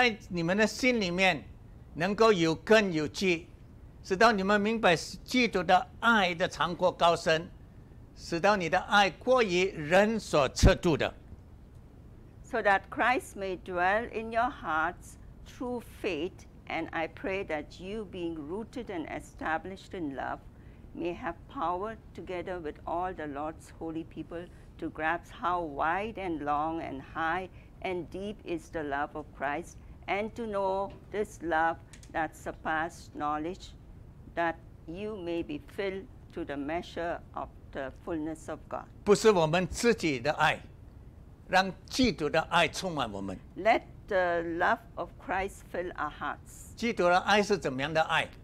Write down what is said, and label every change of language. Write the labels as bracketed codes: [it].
[zh] 是基督因你们的心,在你们的心里面, 能够有根有基, 使到你们明白基督的爱的长阔高深, 使到你的爱过于人所测度的。 [en] So that Christ may dwell in your hearts through faith, and I pray that you, being rooted and established in love, may have power together with all the Lord's holy people to grasp how wide and long and high and deep is the love of Christ, and to know this love that surpasses knowledge, that you may be filled to the measure of the fullness of God. [zh] 不是我们自己的爱, 让基督的爱充满我们。 [en] Let the love of Christ fill our hearts. [zh] 基督的爱是怎么样的爱?